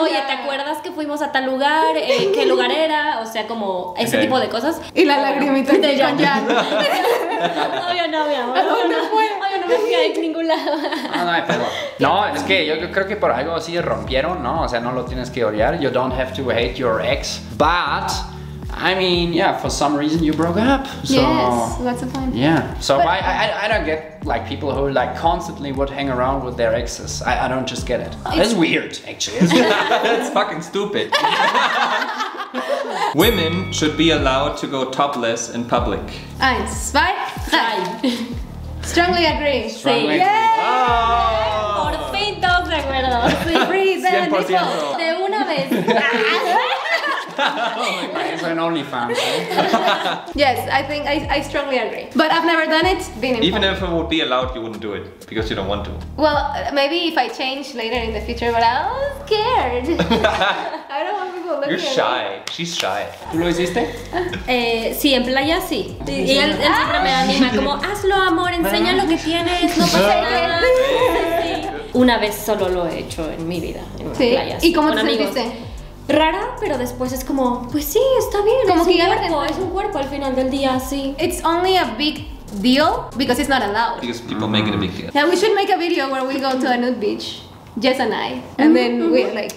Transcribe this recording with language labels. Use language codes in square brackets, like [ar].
[es] Oye, ¿te acuerdas que fuimos a tal lugar? ¿Qué lugar era? O sea, como ese okay. tipo de cosas. Y la lagrimita de John. Obvio no, mi amor. No me fui a ningún lado. No, es que yo creo que por algo así rompieron, ¿no? O sea, no lo tienes que odiar. [en] You don't have to hate your ex. But... I mean, yeah, for some reason you broke up. So, yes, that's a fine. Yeah. So but, I don't get like people who like constantly would hang around with their exes. I don't just get it. It's weird, actually. It's fucking stupid. Women should be allowed to go topless in public. [de] Eins, zwei, drei. [en] Strongly agree. Strongly Yay! Agree. Oh. [es] Por fin todos de acuerdo. De una vez. [en] Oh my God, it's an OnlyFans. Yes, I think I strongly agree. But I've never done it. Been in even public. If it would be allowed, you wouldn't do it because you don't want to. Well, maybe if I change later in the future, but I'm scared. I don't want people looking at me. You're shy. She's shy. [es] ¿Tú lo hiciste? Sí, en playa sí. Y él siempre me anima como hazlo, amor, enseña lo que tienes, no pasa nada. Una vez solo lo he hecho en mi vida en la ¿Sí? playa. ¿Y cómo te sentiste? Rara, pero después es como, pues sí, está bien, como es un cuerpo, es un cuerpo al final del día, sí. [en] It's only a big deal because it's not allowed. Because people make it a big deal. Yeah, we should make a video where we go to a nude beach, Jess and I, and then we're like...